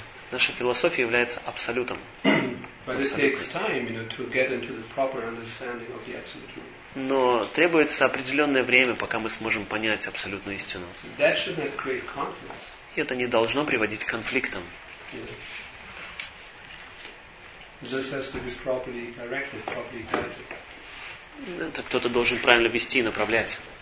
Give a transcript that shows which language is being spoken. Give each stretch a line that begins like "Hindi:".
Russian: Наша философия является абсолютом.
English: But it takes time, you know, to get into the proper understanding of the absolute truth.
Russian: Но требуется определенное время, пока мы сможем понять абсолютную истину. И это не должно приводить к конфликтам. Это кто-то должен правильно вести и направлять.